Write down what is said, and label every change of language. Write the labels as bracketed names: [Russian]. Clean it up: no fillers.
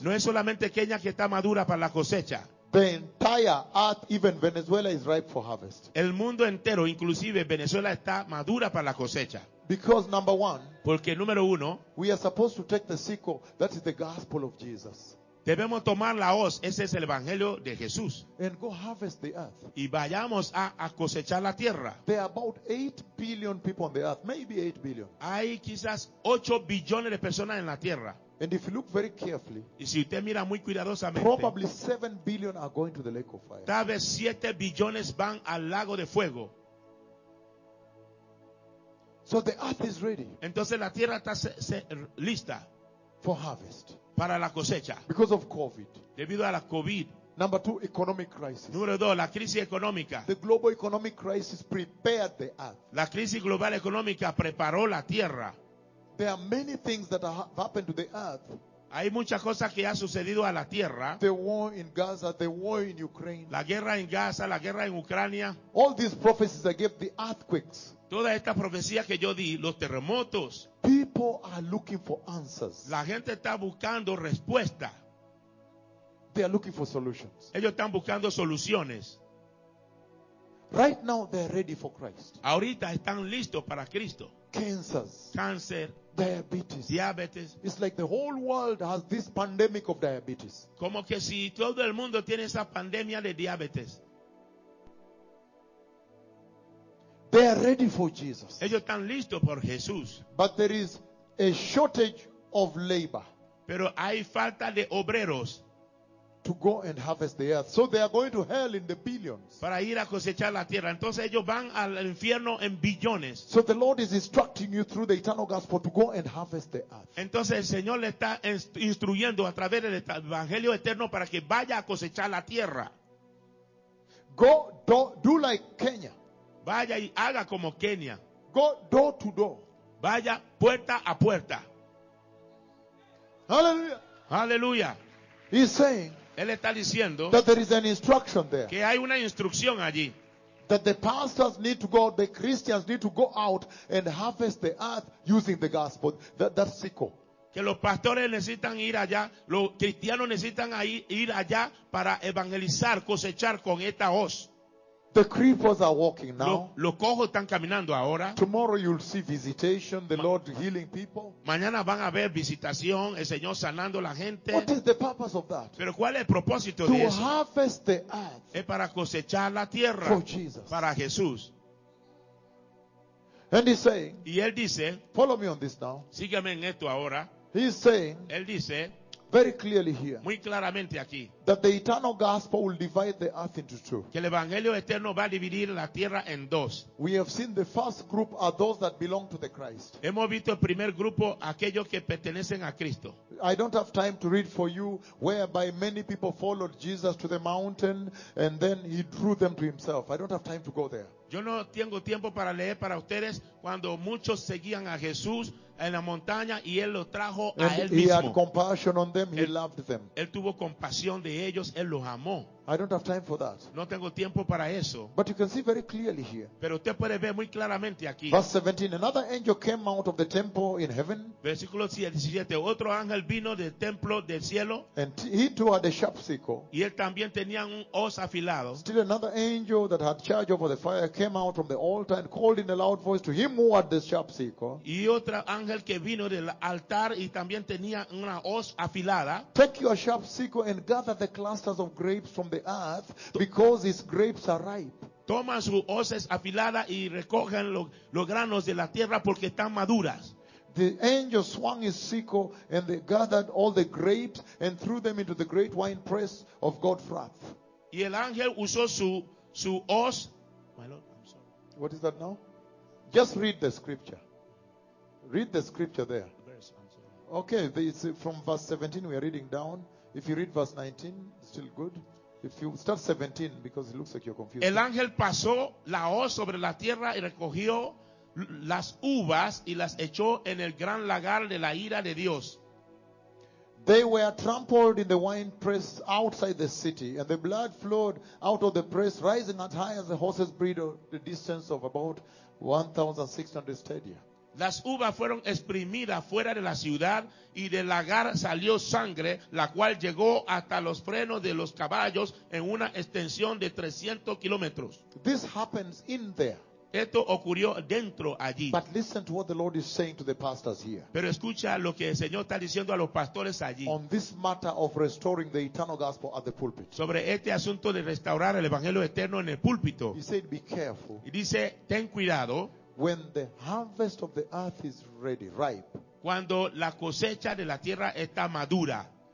[Spanish] No es solamente Kenia que está madura para la cosecha. [English] The entire earth, even Venezuela, is ripe for harvest. [Spanish] El mundo entero, inclusive Venezuela, está madura para la cosecha. [English] Because number one, [Spanish] porque número uno, [English] we are supposed to take the sickle, that is the gospel of Jesus. [Spanish] Debemos tomar la hoz, ese es el evangelio de Jesús. [English] And go harvest the earth. [Spanish] Y vayamos a cosechar la tierra. [English] There are about 8 billion people on the earth, maybe 8 billion. [Spanish] Hay quizás 8 billones de personas en la tierra. [English] And if you look very carefully, [Spanish] y si usted mira muy cuidadosamente, [English] probably 7 billion are going to the lake of fire. [Spanish] Tal vez 7 billones van al lago de fuego. [English] So the earth is ready. [Spanish] Entonces la tierra está lista [English] for harvest. [Spanish] Para la cosecha. [English] Because of COVID. [Spanish] Debido a la COVID. [English] Number two, economic crisis. [Spanish] Número dos, la crisis económica. [English] The global economic crisis prepared the earth. [Spanish] La crisis global económica preparó la tierra. [English] There are many things that have happened to the earth. [Spanish] Hay muchas cosas que ha sucedido a la tierra. [English] The war in Gaza, the war in Ukraine. [Spanish] La guerra en Gaza, la guerra en Ucrania. [English] All these prophecies that gave the earthquakes. [Spanish] Toda esta profecía que yo di, los terremotos. [English] People are looking for answers. [Spanish] La gente está buscando respuesta. [English] They are looking for solutions. [Spanish] Ellos están buscando soluciones. [English] Right now they are ready for Christ. [Spanish] Ahorita están listos para Cristo. [English] Cancers. [Spanish] Cáncer. [English] Diabetes. [Spanish] Diabetes. [English] It's like the whole world has this pandemic of diabetes. [Spanish] Como que si todo el mundo tiene esa pandemia de diabetes. [English] They are ready for Jesus. [Spanish] Ellos están listos por Jesús. [English] But there is a shortage of labor. [Spanish] Pero hay falta de obreros. [English] To go and harvest the earth. So they are going to hell in the billions. [Spanish] Para ir a cosechar la tierra. Entonces ellos van al infierno en billones. [English] So the Lord is instructing you through the eternal gospel to go and harvest the earth. [Spanish] Entonces el Señor le está instruyendo a través del evangelio eterno para que vaya a cosechar la tierra. [English] Go do like Kenya. [Spanish] Vaya y haga como Kenia. [English] Go door to door. [Spanish] Vaya puerta a puerta. [English] Hallelujah. [Spanish] Hallelujah. [English] He's saying. [Spanish] Él está diciendo. [English] That there is an instruction there. [Spanish] Que hay una instrucción allí. [English] That the pastors need to go, the Christians need to go out and harvest the earth using the gospel. That sickle. [Spanish] Que los pastores necesitan ir allá, los cristianos necesitan ir allá para evangelizar, cosechar con esta hoz. [English] The creepers are walking now. [Spanish] Los cojos están caminando ahora. [English] Tomorrow you'll see visitation, the Lord healing people. [Spanish] Mañana van a ver visitación, el Señor sanando la gente. [English] What is the purpose of that? [Spanish] Pero ¿cuál es el propósito [English] to [Spanish] de eso? [English] To harvest the earth. [Spanish] Es para cosechar la tierra. [English] For Jesus. [Spanish] Para Jesús. [English] And he's saying. [Spanish] Y él dice. [English] Follow me on this now. [Spanish] Sígueme en esto ahora. [English] He's saying. [Spanish] Él dice. [English] Very clearly here. [Spanish] Muy claramente aquí. [English] That the eternal gospel will divide the earth into two. [Spanish] Que el evangelio eterno va a dividir la tierra en dos. [English] We have seen the first group are those that belong to the Christ. [Spanish] Hemos visto el primer grupo, aquellos que pertenecen a Cristo. [English] I don't have time to read for you whereby many people followed Jesus to the mountain and then he drew them to himself. I don't have time to go there. [Spanish] Yo no tengo tiempo para leer para ustedes cuando muchos seguían a Jesús en la montaña y él los trajo a él mismo. [English] He had compassion on them, he loved them. [Spanish] Él tuvo compasión de ellos, él los amó. [English] I don't have time for that. [Spanish] No tengo tiempo para eso. [English] But you can see very clearly here. [Spanish] Pero usted puede ver muy claramente aquí. [English] Verse 17, another angel came out of the temple in heaven. [Spanish] Versículo 17, otro ángel vino del templo del cielo. [English] And he too had a sharp sickle. [Spanish] Y él también tenía un hoz afilado. [English] Still another angel that had charge over the fire came out from the altar and called in a loud voice to him who had the sharp sickle. [Spanish] Y otro ángel que vino del altar y también tenía una hoz afilada. [English] Take your sharp sickle and gather the clusters of grapes from the earth because its grapes are ripe. [Spanish] Toma sus hoces afiladas y recogen los granos de la tierra porque están maduras. [English] The angel swung his sickle and they gathered all the grapes and threw them into the great wine press of God's wrath. [Spanish] Y el ángel usó su hoz. [English] My Lord, I'm sorry. What is that now? Just read the scripture. Read the scripture there. Okay, it's from verse 17 we are reading down. If you read verse 19, still good. If you start 17, because it looks like you're confused. [Spanish] El ángel pasó la hoz sobre la tierra y recogió las uvas y las echó en el gran lagar de la ira de Dios. [English] They were trampled in the wine press outside the city, and the blood flowed out of the press, rising as high as the horse's bridle, the distance of about 1,600 stadia. [Spanish] Las uvas fueron exprimidas fuera de la ciudad, y del lagar salió sangre, la cual llegó hasta los frenos de los caballos en una extensión de 300 kilómetros. [English] This happens in there. [Spanish] Esto ocurrió dentro allí. [English] But listen to what the Lord is saying to the pastors here. [Spanish] Pero escucha lo que el Señor está diciendo a los pastores allí. [English] On this matter of restoring the eternal gospel at the pulpit. [Spanish] Sobre este asunto de restaurar el evangelio eterno en el púlpito. [English] He said, "Be careful." [Spanish] Y dice, ten cuidado. [English] When the harvest of the earth is ready, ripe. [Spanish] Cuando la cosecha de la tierra está madura.